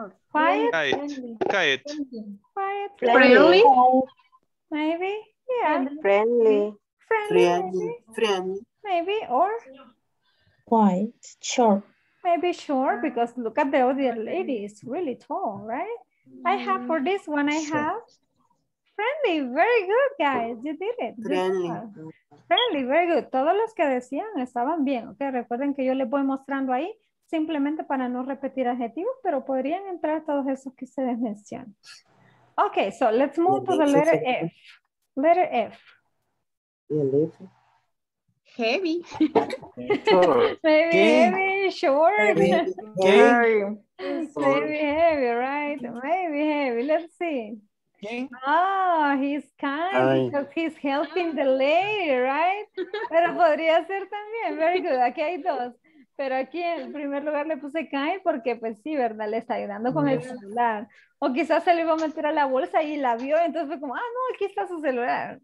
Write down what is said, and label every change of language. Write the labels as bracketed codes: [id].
[en] Quiet, friendly, maybe short, because look at the other lady, it's really tall, right? I have for this one, I have friendly, very good, guys, you did it. Friendly, very good. [es] Todos los que decían estaban bien, okay, recuerden que yo les voy mostrando ahí. Simplemente para no repetir adjetivos, pero podrían entrar todos esos que ustedes mencionan. [en] Ok, so let's move to the letter F. Letter F. Heavy. Maybe heavy, short. Maybe heavy, right? Maybe heavy, let's see. Oh, he's kind because he's helping the lady, right? [es] Pero podría ser también, [en] very good, [es] aquí hay dos. Pero aquí en primer lugar le puse kind porque pues sí, ¿verdad? Le está ayudando con el celular. O quizás se le iba a meter a la bolsa y la vio, entonces fue como, ah, no, aquí está su celular.